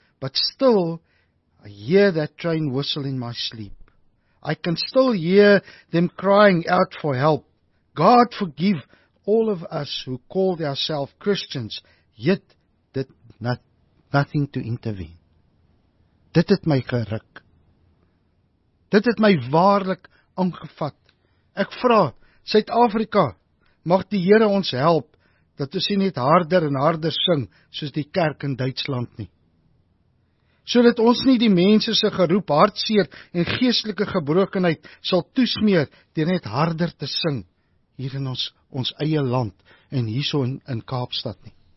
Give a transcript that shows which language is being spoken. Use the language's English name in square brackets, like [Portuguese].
[English] But still, I hear that train whistle in my sleep. I can still hear them crying out for help. God forgive all of us who called ourselves Christians, yet did nothing to intervene. [Afrikaans] Dit het my geruk. Dit het my waarlik aangevat. Ek vra, Suid-Afrika, mag die Here ons help, dat ons nie net harder en harder sing, soos die kerk in Duitsland nie. Sodat ons nie die mense se geroep hartseer en geestelike gebrokenheid sal toesmeer deur net harder te sing hier in ons eie land en hierso in Kaapstad nie.